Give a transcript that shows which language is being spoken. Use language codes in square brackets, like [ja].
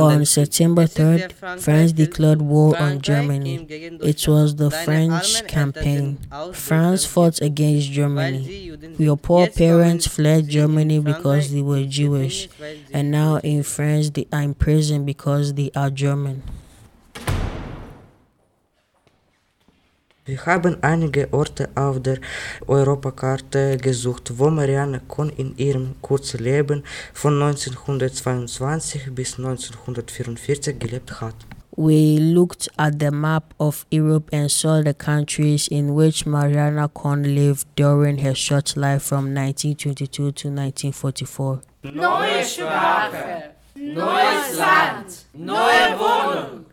[en] On September 3rd, France declared war Frankreich on Germany. It was the French campaign. France fought against Germany. Your poor parents fled Germany because they were Jewish. And now in France, they are in prison because they are German. [de] Wir haben einige Orte auf der Europakarte gesucht, wo Marianne Kohn in ihrem kurzen Leben von 1922 bis 1944 gelebt hat. [en] We looked at the map of Europe and saw the countries in which Marianne Kohn lived during her short life from 1922 to 1944. [de] Neue Sprache, neues Land, neue Wohnung.